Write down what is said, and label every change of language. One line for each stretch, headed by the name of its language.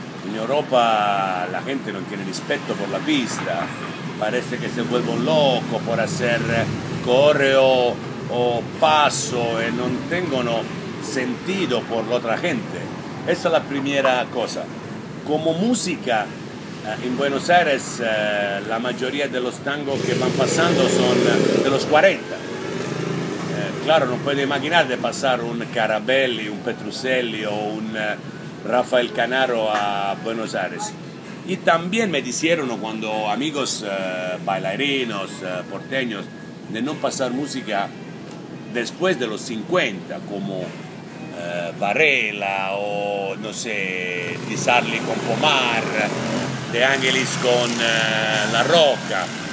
Spanish: En Europa la gente no tiene respeto por la pista, parece que se vuelven locos por hacer correo o paso y no tengan sentido por la otra gente. Esa es la primera cosa. Como música, en Buenos Aires la mayoría de los tangos que van pasando son de los 40.
Italian: claro, non puoi immaginare passare un Carabelli, un Petruselli o un Rafael Canaro a Buenos Aires.
Spanish: Y también me dijeron cuando amigos bailarinos, porteños, de no pasar música después de los 50, como Varela o, no sé, Di Sarli con Pomar, De Angelis con La Roca.